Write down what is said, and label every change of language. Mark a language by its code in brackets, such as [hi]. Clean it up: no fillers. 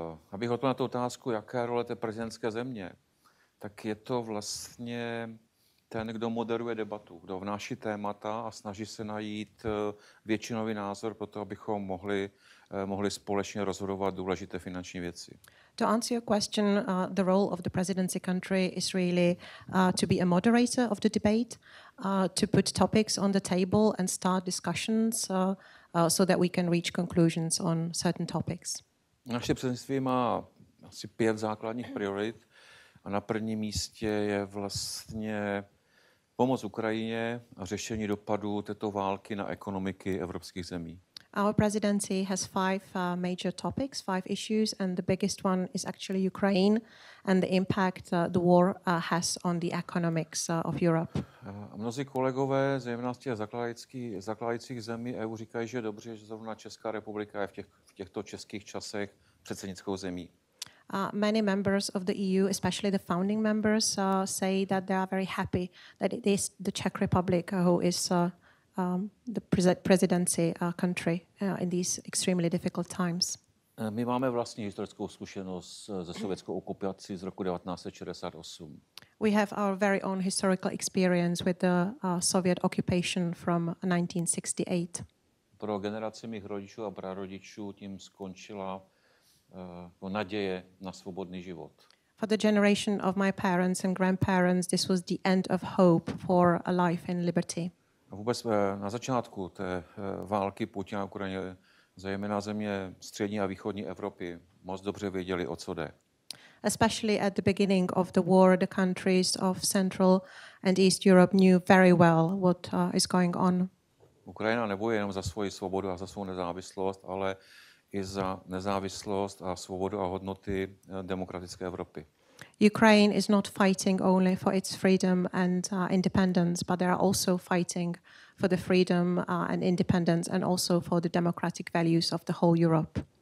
[cs] Abych odpověděl na tu otázku, jaká role té prezidentské země, tak je to vlastně ten, kdo moderuje debatu, kdo vnáší témata a snaží se najít většinový názor pro to, abychom mohli společně rozhodovat důležité finanční věci. [en] To answer your question, the role of the presidency country is really to be a moderator of the debate, to put topics on the table and start discussions so that we can reach conclusions on certain topics. [cs] Naše předsednictví má asi pět základních priorit a na prvním místě je vlastně pomoc Ukrajině a řešení dopadů této války na ekonomiky evropských zemí. [en] Our presidency has five major topics, five issues, and the biggest one is actually Ukraine and the impact the war has on the economics of Europe. [cs] Mnozí kolegové, zejména z těch zakládajících zemí EU, říkají, že je dobře, že zrovna Česká republika je v těchto českých časech předsednickou zemí. [en] Many members of the EU, especially the founding members, say that they are very happy that it is the Czech Republic who is the presidency country in these extremely difficult times. [cs] My máme vlastní historickou zkušenost ze sovětskou okupací z roku 1968. [en] We have our very own historical experience with the Soviet occupation from 1968. [cs] Pro generaci mých rodičů a prarodičů tím skončila naděje na svobodný život. [en] For the generation of my parents and grandparents, this was the end of hope for a life in liberty. [cs] Vůbec na začátku té války Putina na Ukrajině, zejména země střední a východní Evropy, moc dobře věděli, o co jde. [en] Especially at the beginning of the war, the countries of Central and East Europe knew very well what is going on. [cs] Ukrajina nebojuje jenom za svoji svobodu a za svou nezávislost, ale i za nezávislost a svobodu a hodnoty demokratické Evropy. [en] Ukraine is not fighting only for its freedom and independence, but they are also fighting for the freedom and independence and also for the democratic values of the whole Europe.